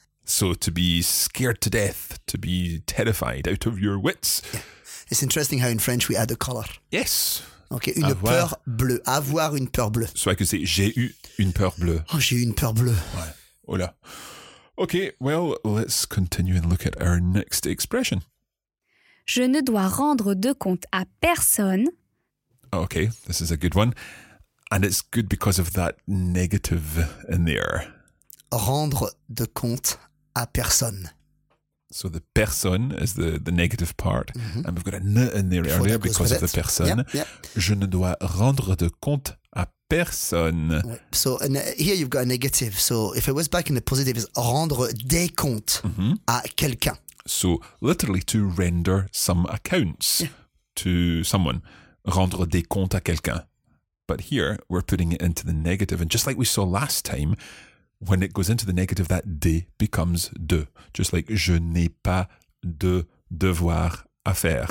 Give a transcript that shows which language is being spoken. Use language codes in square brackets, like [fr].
[en] So to be scared to death, to be terrified, out of your wits. Yeah. It's interesting how in French we add the color. Yes. [fr] Okay, une peur bleue. Avoir une peur bleue. [en] So I could say, [fr] j'ai eu une peur bleue. Oh, j'ai eu une peur bleue. Ouais. Oh là. [en] Okay, well, let's continue and look at our next expression. [fr] Je ne dois rendre de compte à personne. [en] Okay, this is a good one. And it's good because of that negative in there. [fr] Rendre de compte à personne. [en] So the personne is the negative part. Mm-hmm. And we've got a ne in there earlier because of the personne. Yeah, yeah. [fr] Je ne dois rendre de compte à personne. [en] Ouais. So here you've got a negative. So if it was back in the positive, it's [fr] rendre des comptes à quelqu'un. [en] So literally to render some accounts to someone. [fr] Rendre des comptes à quelqu'un. [en] But here we're putting it into the negative. And just like we saw last time, when it goes into the negative, that « de » becomes « de ». Just like [fr] « je n'ai pas de devoir à faire ».